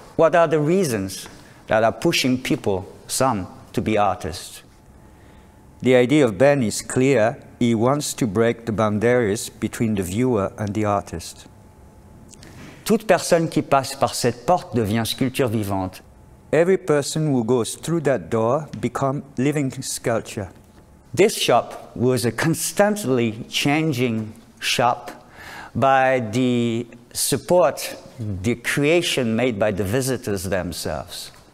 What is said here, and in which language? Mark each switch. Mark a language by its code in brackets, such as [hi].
[en] What are the reasons that are pushing people, some, to be artists? The idea of Ben is clear. He wants to break the boundaries between the viewer and the artist. [fr] Toute personne qui passe par cette porte devient sculpture vivante. [en] Every person who goes through that door becomes living sculpture. This shop was a constantly changing shop by the support, the creation made by the visitors themselves.